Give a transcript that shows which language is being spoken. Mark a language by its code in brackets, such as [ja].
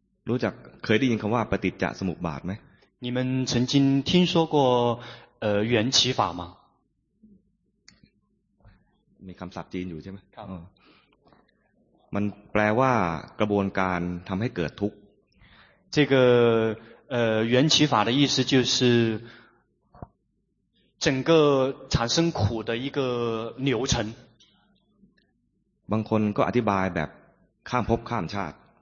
[th] รู้จักเคยได้ยินคำว่าปฏิจจสมุปบาทไหม [zh] 你们曾经听说过缘起法吗 [th] มีคำศัพท์จีนอยู่ใช่ไหม ครับ มันแปลว่ากระบวนการทำให้เกิดทุกข์ [zh] 这个缘起法的意思就是整个产生苦的一个流程。 [th] บางคนก็อธิบายแบบข้ามภพข้ามชาติ